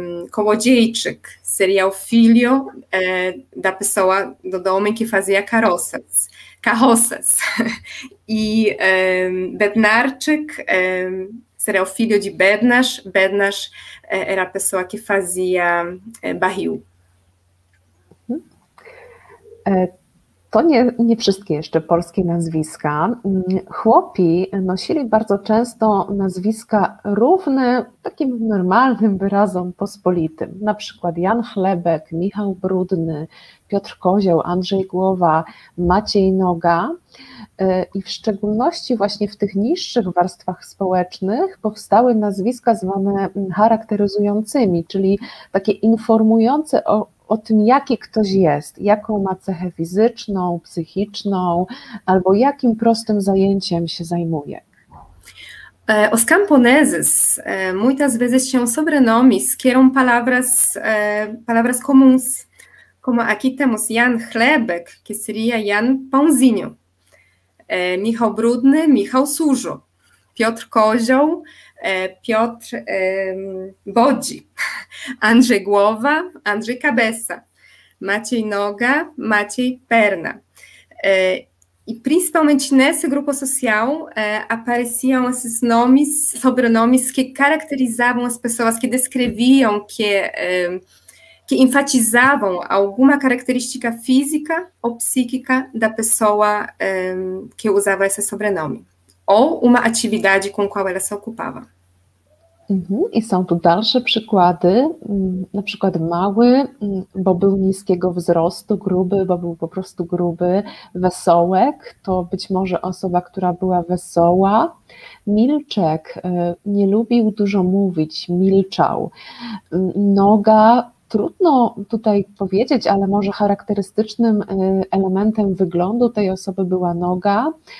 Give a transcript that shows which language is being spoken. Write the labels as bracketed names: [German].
[Portuguese] Kołodziejczyk seria o filho da pessoa, do homem que fazia carroças. E Bednarczyk seria o filho de Bednarz. Bednarz era a pessoa que fazia barril. [Polish] To nie wszystkie jeszcze polskie nazwiska. Chłopi nosili bardzo często nazwiska równe takim normalnym wyrazom pospolitym. Na przykład Jan Chlebek, Michał Brudny, Piotr Kozioł, Andrzej Głowa, Maciej Noga. I w szczególności właśnie w tych niższych warstwach społecznych powstały nazwiska zwane charakteryzującymi, czyli takie informujące o o tym, jaki ktoś jest, jaką ma cechę fizyczną, psychiczną, albo jakim prostym zajęciem się zajmuje. [Portuguese] Os camponeses muitas vezes tinham sobrenomes que eram palavras, palavras comuns. Como aqui temos Jan Chlebek, que seria Jan Pãozinho. Michał Brudny, Michał Sujo. Piotr Kozioł, Piotr Bodzi. Andrzej Głowa, Andrzej Cabeça. Maciej Noga, Maciej Perna. E principalmente nesse grupo social apareciam esses nomes, sobrenomes que caracterizavam as pessoas, que descreviam, que enfatizavam alguma característica física ou psíquica da pessoa que usava esse sobrenome, ou uma atividade com a qual ela se ocupava. [Polish] I są tu dalsze przykłady, na przykład mały, bo był niskiego wzrostu, gruby, bo był po prostu gruby, wesołek, to być może osoba, która była wesoła, milczek, nie lubił dużo mówić, milczał, noga, trudno tutaj powiedzieć, ale może charakterystycznym elementem wyglądu tej osoby była noga.